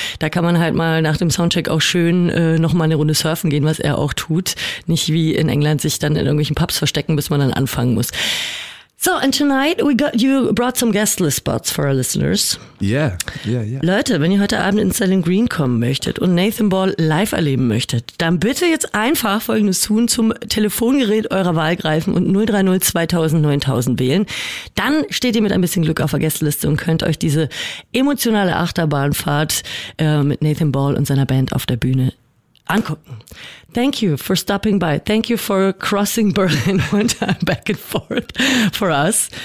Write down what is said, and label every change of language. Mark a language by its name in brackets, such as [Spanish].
[German] Da kann man halt mal nach dem Soundcheck auch schön nochmal eine Runde surfen gehen, was er auch tut. Nicht wie in England sich dann in irgendwelchen Pubs verstecken, bis man dann anfangen muss. [English] So, and tonight you brought some guest list spots for our listeners. Yeah, yeah, yeah. [German] Leute, wenn ihr heute Abend in Silent Green kommen möchtet und Nathan Ball live erleben möchtet, dann bitte jetzt einfach Folgendes tun, zum Telefongerät eurer Wahl greifen und 030 2000 9000 wählen. Dann steht ihr mit ein bisschen Glück auf der Gästeliste und könnt euch diese emotionale Achterbahnfahrt mit Nathan Ball und seiner Band auf der Bühne angucken. [English] Thank you for stopping by. Thank you for crossing Berlin one time back and forth for us.